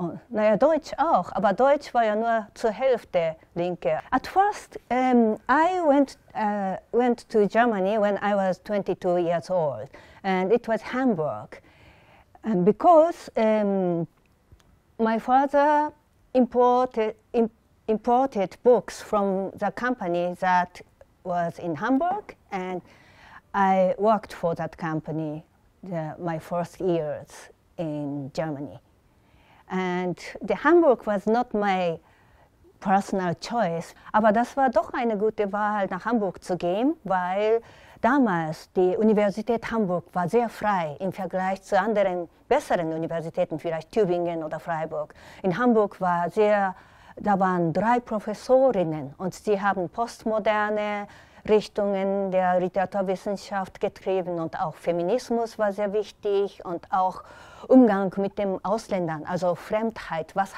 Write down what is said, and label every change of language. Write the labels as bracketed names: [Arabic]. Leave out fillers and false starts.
[German] Naja, Deutsch auch, aber Deutsch war ja nur zur Hälfte Linke. [English] At first, I went to Germany when I was 22 years old, and it was Hamburg. And because my father imported books from the company that was in Hamburg, and I worked for that company my first years in Germany. And the Hamburg was not my personal choice. [German] Aber das war doch eine gute Wahl, nach Hamburg zu gehen, weil damals die Universität Hamburg war sehr frei im Vergleich zu anderen besseren Universitäten, vielleicht Tübingen oder Freiburg. In Hamburg war sehr, da waren drei Professorinnen und sie haben postmoderne Richtungen der Literaturwissenschaft getrieben und auch Feminismus war sehr wichtig und auch Umgang mit den Ausländern, also Fremdheit.